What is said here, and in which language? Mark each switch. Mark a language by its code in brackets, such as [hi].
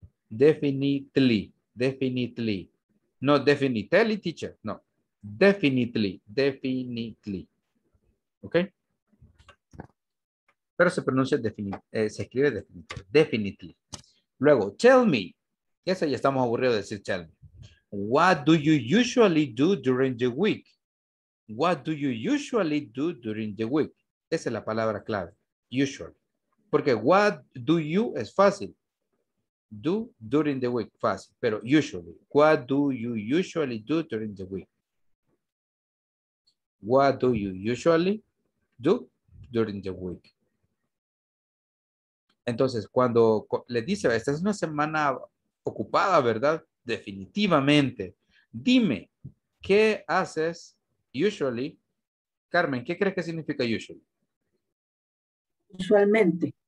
[en] Definitely, definitely. No, definitely, teacher. No, definitely, definitely. ¿Ok? [es] Pero se pronuncia se escribe definitely. Definitely. Luego, [en] tell me. [es] Esa ya estamos aburridos de decir [en] tell me. What do you usually do during the week? What do you usually do during the week? [es] Esa es la palabra clave. Usually. Porque [en] what do you [es] es fácil. [en] Do during the week, [es] fácil. Pero [en] usually. What do you usually do during the week? What do you usually do during the week? [es] Entonces, cuando le dice, esta es una semana ocupada, ¿verdad? Definitivamente. Dime, ¿qué haces usually? Carmen, ¿qué crees que significa usually? Usualmente.